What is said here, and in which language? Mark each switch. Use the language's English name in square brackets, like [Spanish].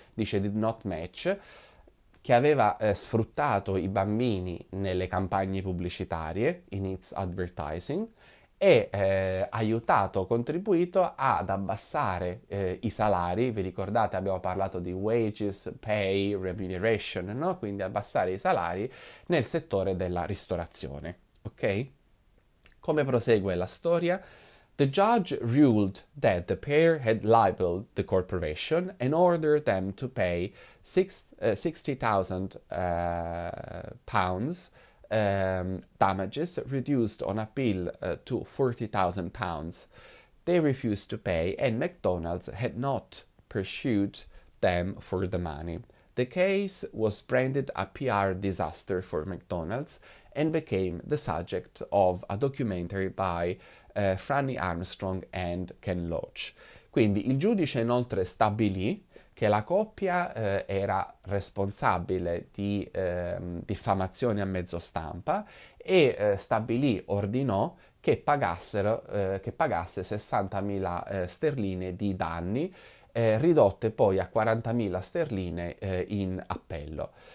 [Italian] Dice [English] did not match, [Italian] che aveva sfruttato i bambini nelle campagne pubblicitarie, [English] in its advertising, [Italian] e aiutato, contribuito ad abbassare i salari. Vi ricordate, abbiamo parlato di wages, pay, remuneration, no? Quindi abbassare i salari nel settore della ristorazione. Ok? Come prosegue la storia? [English] The judge ruled that the pair had libeled the corporation and ordered them to pay 60,000 pounds. Damages reduced on appeal to £40,000. They refused to pay, and McDonald's had not pursued them for the money. The case was branded a PR disaster for McDonald's and became the subject of a documentary by Franny Armstrong and Ken Loach. [Italian] Quindi il giudice inoltre stabilì che la coppia era responsabile di diffamazione a mezzo stampa e stabilì, ordinò che pagassero, che pagasse 60.000 sterline di danni, ridotte poi a 40.000 sterline in appello.